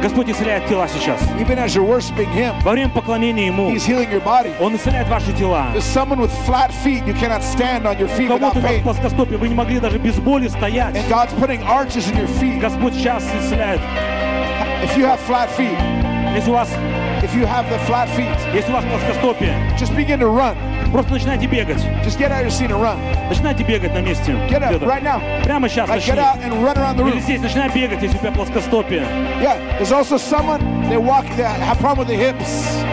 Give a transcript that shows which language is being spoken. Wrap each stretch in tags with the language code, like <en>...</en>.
<ru>Господь исцеляет тела сейчас.</ru> <en>Even as you're worshiping Him,</en> <ru>во время поклонения Ему,</ru> <en>He's healing your body.</en> <ru>Он исцеляет ваши тела.</ru> <en>There's someone with flat feet, you cannot stand on your feet without pain.</en> <ru>Кому-то в плоскостопии вы не могли даже без боли стоять.</ru> <en>And God's putting arches in your feet.</en> <ru>Господь сейчас исцеляет.</ru> <en>If you have flat feet,</en> <ru>если у вас</ru> <en>If you have the flat feet,</en> <ru>если у вас плоскостопие,</ru> <en>just begin to run.</en> <ru>Просто начинайте бегать.</ru> <en>Just get out of your seat and run.</en> <ru>Начинайте бегать на месте.</ru> <en>Get up right now.</en> <ru>Прямо сейчас начни.</ru> <en>Get out and run around the room.</en> <ru>Или здесь начинай бегать, если у тебя плоскостопие.</ru> <en>Yeah, there's also someone they walk that have problem with the hips.</en>